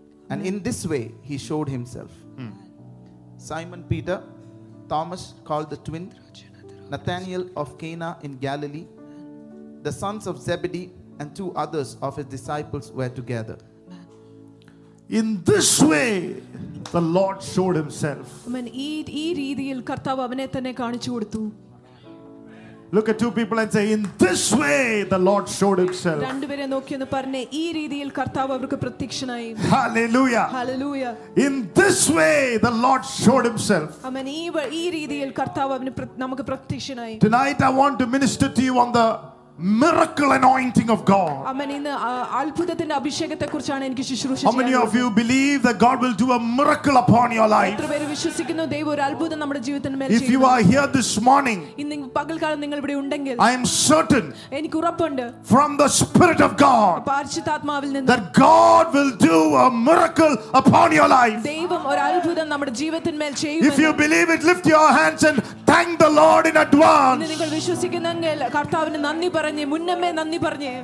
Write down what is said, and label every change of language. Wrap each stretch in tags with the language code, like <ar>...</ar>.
<en>And in this way, he showed himself. Mm. Simon Peter, Thomas called the twin, Nathanael of Cana in Galilee, the sons of Zebedee, and two others of his disciples were together. In this way, the Lord showed himself. Amen.</en> <ml>ഈ രീതിയിൽ കർത്താവ് അവനെ തന്നെ കാണിച്ചു കൊടുത്തു.</ml> <en>Look at two people and say, in this way the Lord showed himself.</en> <ml>രണ്ടു പേരെ നോക്കി എന്ന് പറഞ്ഞു ഈ രീതിയിൽ കർത്താവ് അവർക്ക് പ്രത്യക്ഷനായി.</ml> <en>Hallelujah. Hallelujah. In this way the Lord showed himself. Amen.</en> <ml>ഈ രീതിയിൽ കർത്താവ് നമുക്ക് പ്രത്യക്ഷനായി.</ml> <en>Tonight I want to minister to you on the miracle anointing of God. Amen.</en> <ml>ഇന്ന് അത്ഭുതത്തിന്റെ അഭിഷേകത്തെ കുറിച്ചാണ് എനിക്ക് ശുശ്രൂഷ ചെയ്യാൻ.</ml> <en>How many of you believe that God will do a miracle upon your life?</en> <ml>എത്ര പേർ വിശ്വസിക്കുന്നു ദൈവം ഒരു അത്ഭുതം നമ്മുടെ ജീവിതത്തിൽ ചെയ്യും?</ml> <en>If you are here this morning,</en> <ml>ഇന്ന് പകൽക്കാലം നിങ്ങൾ ഇവിടെ ഉണ്ടെങ്കിൽ,</ml> <en>I am certain,</en> <ml>എനിക്ക് ഉറപ്പുണ്ട്,</ml> <en>from the spirit of God,</en> <ml>പരിശുദ്ധാത്മാവിൽ നിന്ന്,</ml> <en>that God will do a miracle upon your life.</en> <ml>ദൈവം ഒരു അത്ഭുതം നമ്മുടെ ജീവിതത്തിൽ ചെയ്യും.</ml> <en>If you believe it, lift your hands and thank the Lord in advance.</en> <ml>നിങ്ങൾ വിശ്വസിക്കുന്നെങ്കിൽ കർത്താവിന് നന്ദി പറഞ്ഞു മുന്നമേ നന്ദി പറഞ്ഞു.</ml>